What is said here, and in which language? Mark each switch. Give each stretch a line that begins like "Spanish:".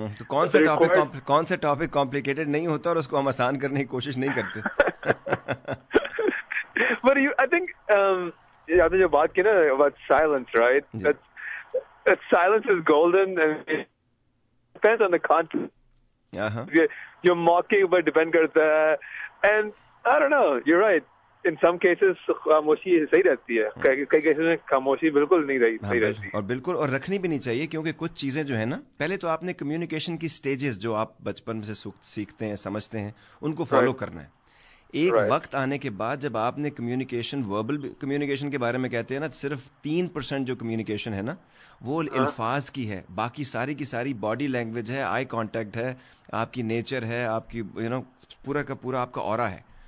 Hindi: तो कौन सा topic कौन सा topic complicated नहीं होता और उसको हम आसान करने की कोशिश नहीं करते.
English: But you, I think
Hindi: आपने जो बात की ना
English: about silence, right? That silence is golden and it depends on the context.
Hindi: जो मौके पर depend करता है.
English: And I don't know. You're right. In some cases,
Hindi: खामोशी सही रहती है कई केसेस में खामोशी बिल्कुल नहीं रही सही रहती और बिल्कुल और रखनी भी नहीं चाहिए क्योंकि कुछ चीजें जो है ना पहले तो आपने कम्युनिकेशन की स्टेजेस जो आप बचपन में से सीखते हैं समझते हैं उनको फॉलो करना है एक वक्त आने के बाद जब आपने कम्युनिकेशन वर्बल कम्युनिकेशन के बारे में कहते हैं ना सिर्फ 3% जो कम्युनिकेशन है ना वो अल्फाज की है बाकी सारी की सारी बॉडी लैंग्वेज है आई कॉन्टेक्ट है आपकी नेचर है आपकी यू नो पूरा का पूरा आपका ऑरा है